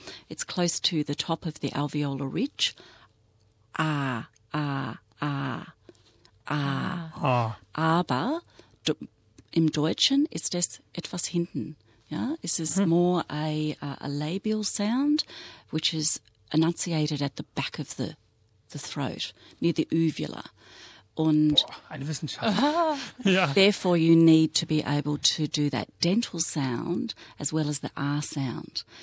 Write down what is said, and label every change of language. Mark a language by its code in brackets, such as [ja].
[en] It's close to the top of the alveolar ridge. A, A, A, A. [de] Aber im Deutschen ist es etwas hinten, ja? Es ist [en] more a labial sound, which is enunciated at the back of the throat, near the uvula. [de] Und boah, eine Wissenschaft. [en] Therefore, you need to be able to do that dental sound as well as the R sound.